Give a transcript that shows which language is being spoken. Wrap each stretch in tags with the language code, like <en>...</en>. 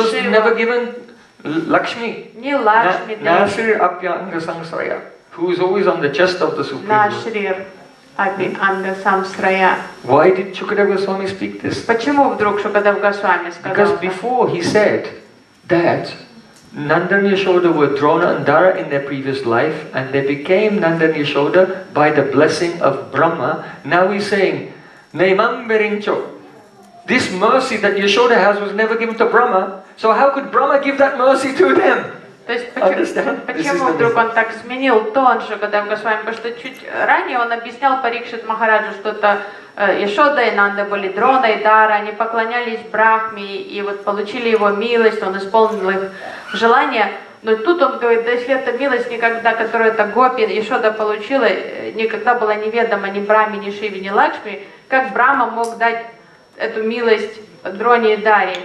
<en>It was Shiva. Never given Lakshmi.</en> <ru>Не Лакшми, да.</ru> <sa>Nasir Apyanga Samsraya,</sa> <en>who is always on the chest of the Supreme Lord.</en> <sa>Nasir Apyanga Samsraya.</sa> <en>Why did Shukadev Goswami speak this?</en> <ru>Почему вдруг Шукадев Госвами сказал?</ru> <en>Because before he said that Nanda and Yashoda were Drona and Dara in their previous life and they became Nanda and Yashoda by the blessing of Brahma. Now he's saying,</en> <sa>Neimam Virincho,</sa> <en>this mercy that Yashoda has was never given to Brahma. So how could Brahma give that mercy to them?</en> <ru>То есть, почему вдруг он так сменил тон Шукадев Госвами? Потому что чуть ранее он объяснял Парикшит Махараджу, что это Яшода и Нанда были Дрона и Дара, они поклонялись Брахме и вот получили его милость, он исполнил их желание. Но тут он говорит, да если эта милость никогда, которую эта гопи Яшода получила, никогда была неведома ни Брахме, ни Шиве, ни Лакшми, как Брахма мог дать эту милость Дроне и Даре?</ru>